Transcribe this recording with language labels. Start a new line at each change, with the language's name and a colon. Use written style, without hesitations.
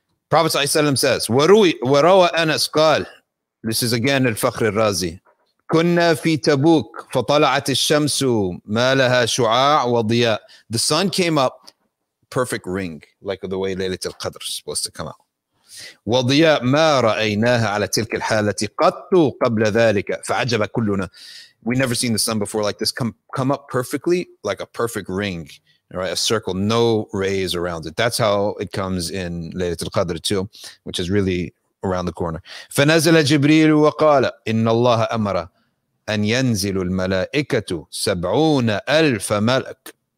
English: Prophet ﷺ says,
Arabic: وَرَوَى أَنَسْ قَالْ.
English: This is again Al-Fakhr al-Razi.
Arabic: كُنَّا فِي تَبُوكْ فَطَلَعَتِ الشَّمْسُ مَا لَهَا شُعَاعُ وَضِيَاءُ.
English: The sun came up, perfect ring, like the way Laylatul Qadr is supposed to come out.
Arabic: وضياء ما رأيناها على تلك الحالة قط قبل ذلك فعجب كلنا.
English: We never seen the sun before like this come up perfectly, like a perfect ring, right? A circle, no rays around it. That's how it comes in ليلة القدر too, which is really around the corner.
Arabic: فنزل جبريل وقال إن الله أمر أن ينزل الملائكة 70,000 ملك.